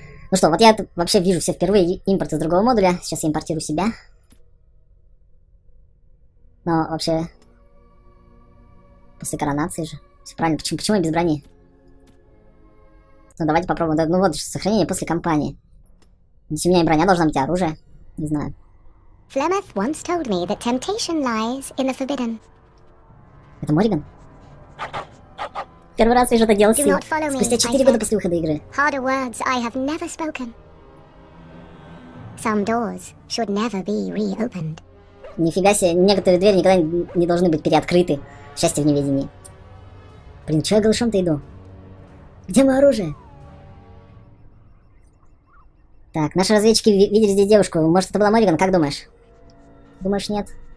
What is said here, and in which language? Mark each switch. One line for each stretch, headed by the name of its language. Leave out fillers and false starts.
Russian: Ну что, вот я вообще вижу все впервые. Импорт из другого модуля. Сейчас я импортирую себя. Но вообще... После коронации же. Все правильно. Почему я без брони? Ну давайте попробуем. Ну вот, сохранение после кампании. Ведь у меня и броня должна быть, и оружие. Не знаю.
English: Flemeth once told me that temptation lies in the forbidden.
Russian: Это Морриган? Первый раз вижу это DLC.
English: Do not follow me,
Russian: спустя 4 года после выхода игры.
English: Harder words I have never spoken. Some doors should never be reopened.
Russian: Нифига себе, некоторые двери никогда не должны быть переоткрыты. Счастье в неведении. Блин, чего я голышом-то иду? Где мое оружие? Так, наши разведчики видели здесь девушку. Может, это была Морриган? Как думаешь? Думаешь, нет?